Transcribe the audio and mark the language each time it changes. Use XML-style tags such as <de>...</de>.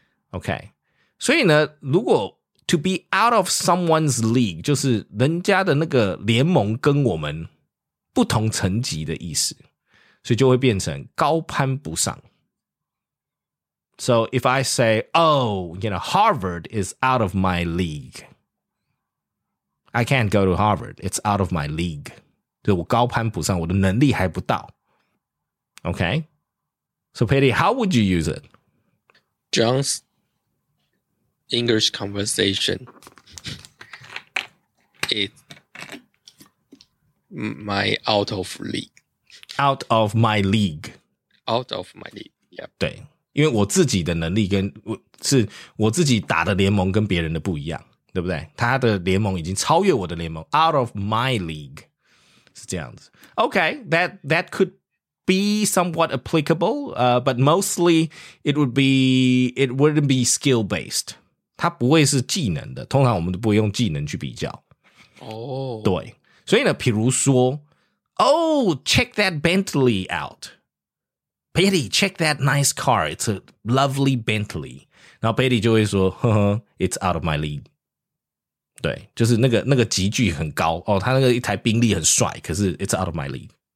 <zh>OK， 所以呢，如果</zh> <en>to be out of someone's league，</en> <zh>就是人家的那个联盟跟我们不同层级的意思，所以就会变成高攀不上。</zh> <en>So if I say, oh, you know, Harvard is out of my league. I can't go to Harvard. It's out of my league.</en> <zh>对，我高攀不上，我的能力还不到。</zh> <en>Okay? So Petey, how would you use it? John's English conversation is my out of league. Out of my league. Out of my league, yep.</en> <zh>对。因为我自己的能力跟是我自己打的联盟跟别人的不一样，对不对？他的联盟已经超越我的联盟 ，</zh> <en>out of my league，</en> <zh>是这样子。</zh> <en>Okay, that could be somewhat applicable, but mostly it wouldn't be skill based.</en> <zh>它不会是技能的，通常我们都不会用技能去比较。 Oh. 对，所以呢，比如说</zh> <en>，Oh, check that Bentley out. Betty, check that nice car. It's a lovely Bentley.</en> <zh>然后 Betty 就会说，呵呵 ，</zh> <en>It's out of my league.</en> <zh>对，就是那个级距很高哦，他那个一台宾利很帅，可是</zh> <en>It's out of my league.</en>